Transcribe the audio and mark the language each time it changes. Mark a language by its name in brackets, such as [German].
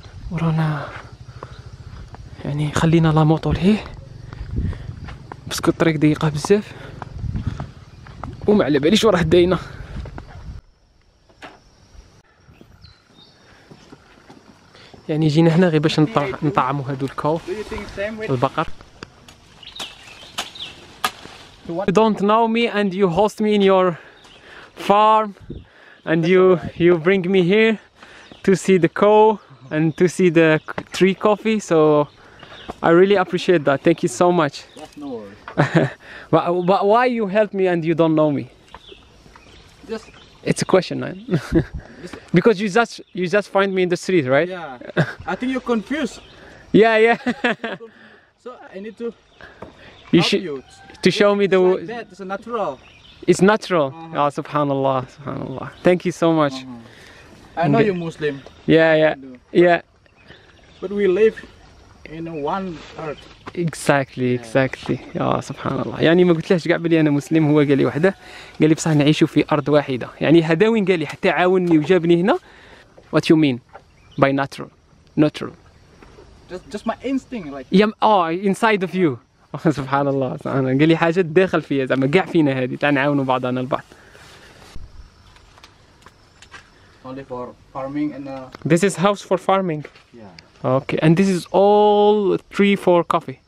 [Arabic] ورانا يعني خلينا لا موطو لهيه باسكو الطريق ضيقه بزاف، وما على باليش وراه داينا. يعني جينا هنا غير باش نطعموا هذو الكو البقر. [English] You don't know me and you host me in your farm and you bring me here to see the cow and to see the tree coffee, so I really appreciate that. Thank you so much. No worries. but why you help me and you don't know me? Just it's a question, man. Because you just find me in the street, right? Yeah. I think you're confused. Yeah. So I need to you help you. To show me the it's natural. It's natural. Uh-huh. Oh, subhanallah, subhanallah. Thank you so much. Uh-huh. I know you're Muslim. Yeah. But we live in one earth. Exactly, yeah. Exactly. Yeah, subhanallah. [Arabic] يعني ما قلت لهش قاع بلي انا مسلم، هو قال لي وحده، قال لي بصح نعيشوا في ارض واحده. يعني هذا وين قال لي حتى عاونني وجابني هنا. [English] What you mean by natural? Natural. Just my instinct like. Yeah, inside of you. [Arabic] سبحان الله، سبحان الله. قال لي حاجه داخل فيا زعما كاع فينا هذه، تاع نعاونوا بعضنا البعض. [English] Only for farming and this is house for farming. Yeah. Okay, and this is all tree for coffee.